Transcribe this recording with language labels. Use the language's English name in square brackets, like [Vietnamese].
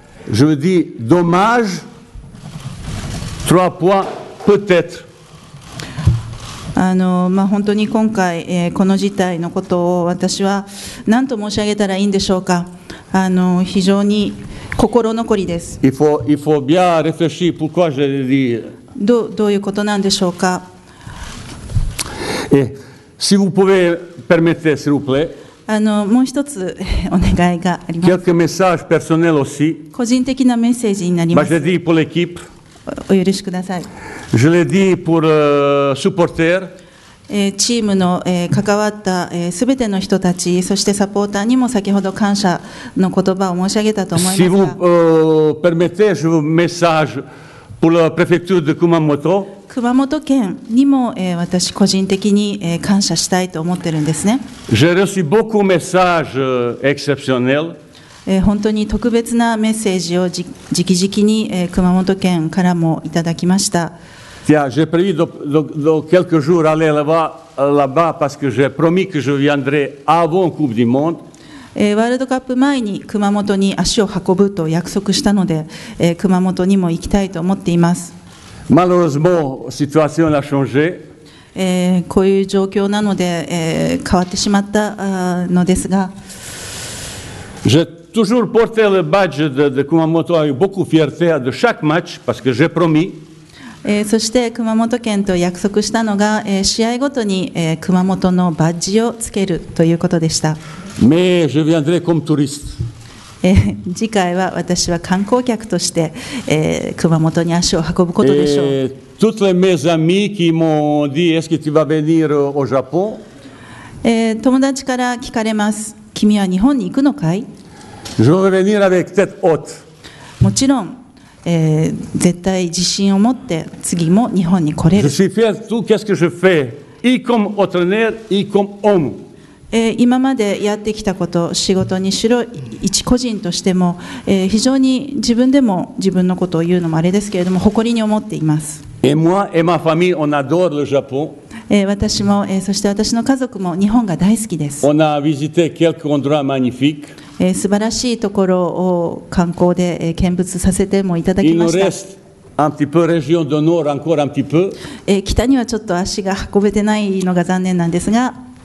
[French] Je veux dire dommage, trois points peut-être. [Japanese] まあ、本当に今回、この事態のことを私は何と申し上げたらいいんでしょうか。非常に心残りです。 [French] Il faut bien réfléchir pourquoi je le dis. [Japanese] どういうことなんでしょうか。 [French] Si vous pouvez permettre, s'il vous plaît. [Japanese] もう一つお願いがあります。 [French] Quelques messages personnels aussi. [Japanese] 個人的なメッセージになります。 [French] Je le dis pour l'équipe. [Japanese] お許しください。 [French] Je le dis pour supporters. [Japanese] チームの関わったすべての人たち、そしてサポーターにも先ほど感謝の言葉を申し上げたと思います。 [French] Si vous permettez, je veux message. Pour la préfecture de Kumamoto. [Japanese] 熊本県にも、私個人的に、感謝したいと思ってるんですね。 [French] J'ai reçu beaucoup messages exceptionnels. [Japanese] 本当に特別なメッセージをじきじきに、熊本県からもいただきました。 [French] Tiens, j'ai prévu de quelques jours aller là-bas parce que j'ai promis que je viendrai avant Coupe du Monde. [Japanese] ワールドカップ前に熊本に足を運ぶと約束したので、熊本にも行きたいと思っています。 [French] Malheureusement, situation a changé. [Japanese] こういう状況なので、変わってしまったのですが、 [French] j'ai toujours porté le badge de Kumamoto avec beaucoup fierté de chaque match parce que j'ai promis. [Japanese] そして熊本県と約束したのが、試合ごとに、熊本のバッジをつけるということでした。 [French] Mais je viendrai comme touriste. [Japanese] 次回は私は観光客として、熊本に足を運ぶことでしょう。 [French] Toutes les mes amis qui m'ont dit est-ce que tu vas venir au Japon? [Japanese] 友達から聞かれます。君は日本に行くのかい？ [French] Je vais venir avec tête haute. [Japanese] もちろん、絶対自信を持って次も日本に来れる。 [French] Je suis fier. Tout qu'est-ce que je fais? Et comme entraîneur, et comme homme. [Japanese] 今までやってきたこと、仕事にしろ、一個人としても、非常に自分でも自分のことを言うのもあれですけれども、誇りに思っています。 [French] Et moi et ma famille, on adore le Japon. [Japanese] 私も、そして私の家族も日本が大好きです。 [French] On a visité quelques endroits magnifiques. [Japanese] 素晴らしいところを観光で、見物させてもいただきました。北にはちょっと足が運べてないのが残念なんですが、